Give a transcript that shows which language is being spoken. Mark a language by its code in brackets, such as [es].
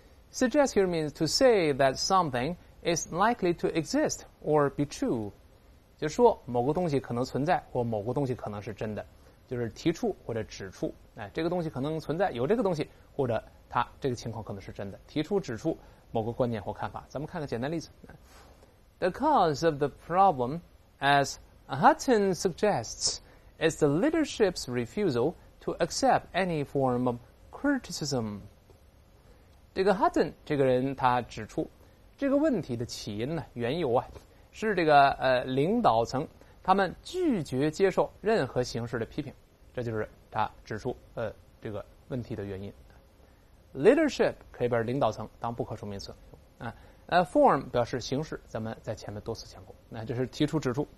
[en] Suggest here means to say that something is likely to exist or be true. [zh] 就说某个东西可能存在或某个东西可能是真的，就是提出或者指出，哎，这个东西可能存在，有这个东西，或者它这个情况可能是真的，提出指出某个观念或看法。咱们看个简单例子。 [en] The cause of the problem, as Hutton suggests, is the leadership's refusal to accept any form of criticism. [zh] 这个 Hutton 这个人他指出这个问题的起因呢，缘由啊，是这个领导层他们拒绝接受任何形式的批评，这就是他指出这个问题的原因。 Leadership 可以把领导层当不可数名词啊，form 表示形式，咱们在前面多次讲过，那就是提出指出。